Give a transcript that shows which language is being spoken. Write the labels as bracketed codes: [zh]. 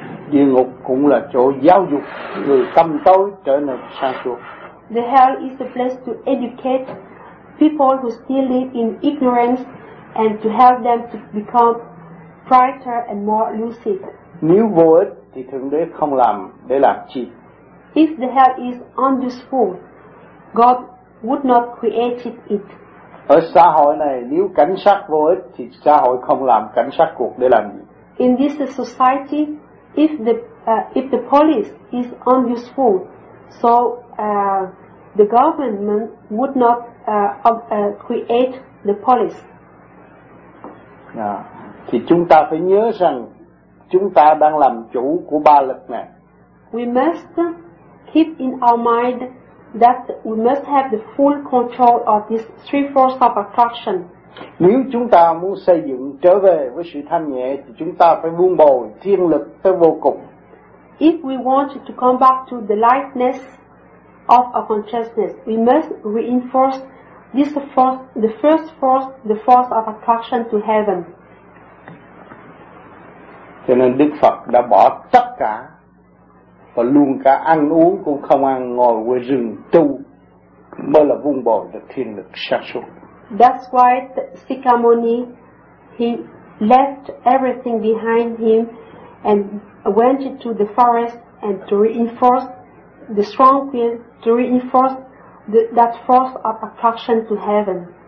[vi] Địa ngục cũng là chỗ giáo dục người tâm tối trở nên sáng suốt. [en] The hell is the place to educate people who still live in ignorance and to help them to become brighter and more lucid. [vi] Nếu vô ích thì Thượng Đế không làm để làm chi? [en] If the hell is unuseful, God would not create it. [vi] Ở xã hội này, nếu cảnh sát vô ích thì xã hội không làm cảnh sát cuộc để làm gì? [en] In this society, if the police is unuseful, so the government would not create the police. [vi] Thì chúng ta phải nhớ rằng chúng ta đang làm chủ của ba lực này. [en] We must keep in our mind that we must have the full control of these three forces of attraction. [vi] Nếu chúng ta muốn xây dựng trở về với sự thanh nhẹ thì chúng ta phải buông bồi thiên lực tới vô cùng. [en] If we want to come back to the lightness of our consciousness, we must reinforce this force, the first force, the force of attraction to heaven. [vi] Cho nên Đức Phật đã bỏ tất cả và luôn cả ăn uống cũng không ăn, ngồi quê rừng tu mới là vun bồi được thiên lực sáng suốt. [en] That's why Sika Muni, he left everything behind him and went to the forest and to reinforce the strong will, to reinforce that force of attraction to heaven.